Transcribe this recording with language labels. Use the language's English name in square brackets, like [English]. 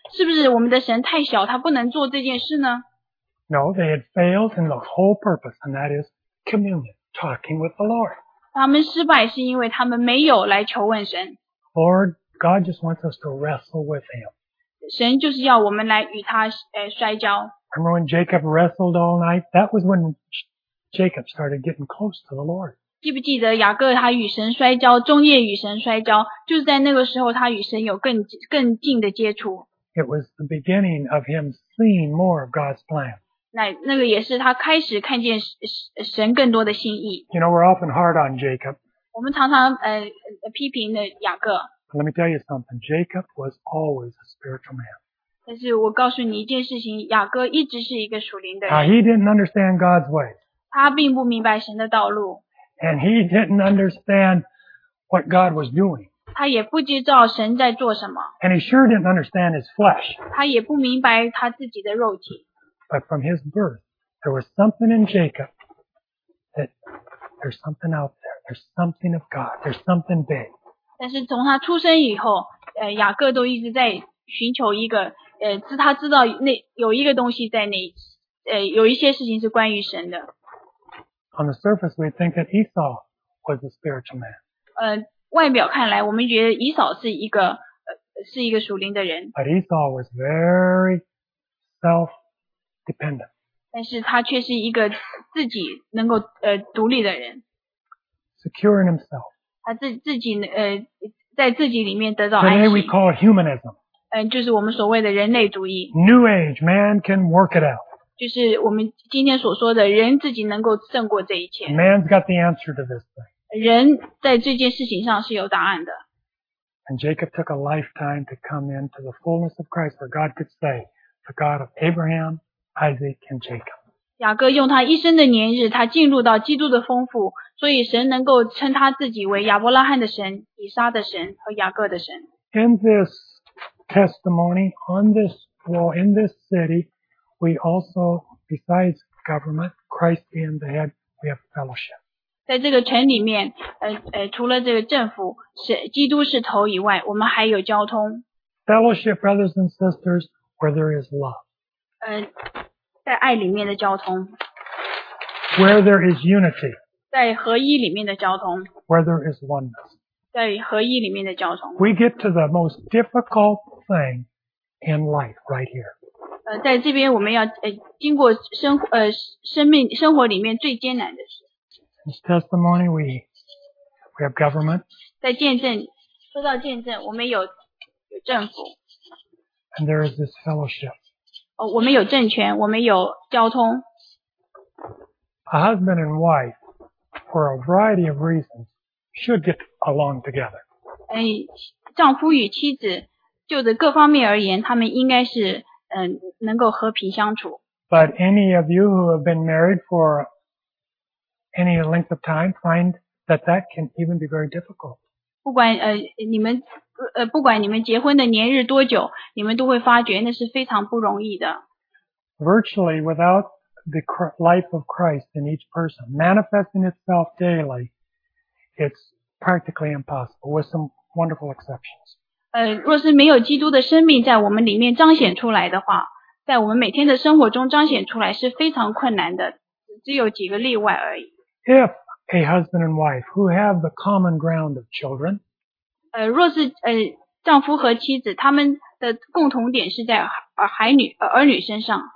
[Chinese] 是不是我们的神太小他不能做这件事呢? [English] No, they had failed in the whole purpose, and that is communion, talking with the Lord. [Chinese] 他们失败是因为他们没有来求问神。 [English] Lord, God just wants us to wrestle with him. [Chinese] 神就是要我们来与他摔跤。 [English] Remember when Jacob wrestled all night? That was when... Jacob started getting close to the Lord. [Chinese] 记不记得雅各他与神摔跤，终夜与神摔跤，就是在那个时候他与神有更近的接触。 [English] It was the beginning of him seeing more of God's plan. [Chinese] 那个也是他开始看见神更多的心意。 [English] You know, we're often hard on Jacob. [Chinese] 我们常常批评的雅各。 [English] Let me tell you something. Jacob was always a spiritual man. [Chinese] 但是我告诉你一件事情，雅各一直是一个属灵的人。 [English] He didn't understand God's way. [Chinese] 他并不明白神的道路。 [English] And he didn't understand what God was doing. [Chinese] 他也不知道神在做什么。 [English] And he sure didn't understand his flesh. [Chinese] 他也不明白他自己的肉体。 [English] But from his birth, there was something in Jacob that there's something out there. There's something of God. There's something big. [Chinese] 但是从他出生以后，雅各都一直在寻求一个，是他知道那有一个东西在那，有一些事情是关于神的。 [English] On the surface, we think that Esau was a spiritual man. [Chinese] 外表看来，我们觉得以扫是一个，是一个属灵的人。 [English] But Esau was very self-dependent. [Chinese] 但是他却是一个自己能够独立的人。 [English] Securing himself. [Chinese] 他自己在自己里面得到安息。 [English] Today we call it humanism. [Chinese] 就是我们所谓的人类主义。 [English] New age, man can work it out. [Chinese] 就是我们今天所说的人自己能够胜过这一切。 [English] Man's got the answer to this thing. [Chinese] 人在这件事情上是有答案的。 [English] And Jacob took a lifetime to come into the fullness of Christ where God could say, the God of Abraham, Isaac, and Jacob. [Chinese] 雅各用他一生的年日，他进入到基督的丰富，所以神能够称他自己为亚伯拉罕的神、以撒的神和雅各的神。 [English] In this testimony, on this wall, in this city, we also, besides government, Christ being the head, we have fellowship. [Chinese] 在这个城里面，除了这个政府是基督是头以外，我们还有交通。 [English] Fellowship, brothers and sisters, where there is love. [Chinese] 在爱里面的交通。 [English] Where there is unity. [Chinese] 在合一里面的交通。 [English] Where there is oneness. [Chinese] 在合一里面的交通。 [English] We get to the most difficult thing in life right here. [Chinese] 在这边我们要经过生活里面最艰难的事。 [English] In testimony, we have government. [Chinese] 在见证，说到见证，我们有政府。 [English] And there is this fellowship. [Chinese] 我们有政权，我们有交通。 [English] A husband and wife, for a variety of reasons, should get along together. [Chinese] 丈夫与妻子，就着各方面而言，他们应该是能够和平相处。 [English] But any of you who have been married for any length of time find that that can even be very difficult. [Chinese] 不管你们。不管你们结婚的年日多久，你们都会发觉那是非常不容易的。 [English] Virtually without the life of Christ in each person manifesting itself daily, it's practically impossible, with some wonderful exceptions. [Chinese] 若是没有基督的生命在我们里面彰显出来的话，在我们每天的生活中彰显出来是非常困难的，只有几个例外而已。 [English] If a husband and wife who have the common ground of children, [Chinese] 若是丈夫和妻子他们的共同点是在儿女身上